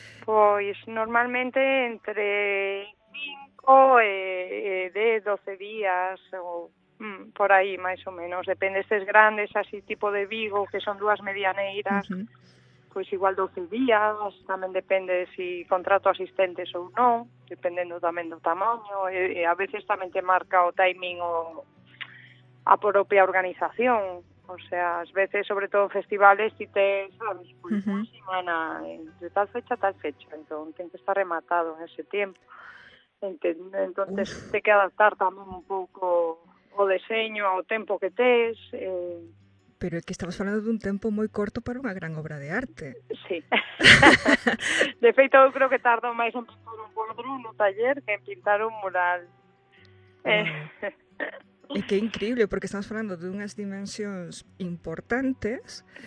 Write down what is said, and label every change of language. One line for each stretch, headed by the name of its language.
Galician: Pois normalmente entre 5 e 12 días ou por aí máis ou menos, depende se es grandes así tipo de Vigo que son dúas medianeiras, pois igual 12 días, tamén depende si contrato asistentes ou non, dependendo tamén do tamaño, a veces tamén te marca o timing
Spanish: a propia organización, o sea, as veces, sobre todo festivales, si te sabes, pues, una semana, entre tal fecha, entonces tienes que estar rematado en ese tiempo. Entonces, te hay que adaptar también un poco
Galician: o diseño, o tempo que tes. Pero é que estamos falando dun tempo moi corto para unha gran obra de arte. Sí. De feito, eu creo que tardo máis en pintar un cuadro no taller que en pintar un mural. E que é increíble, porque estamos falando de unhas dimensións importantes,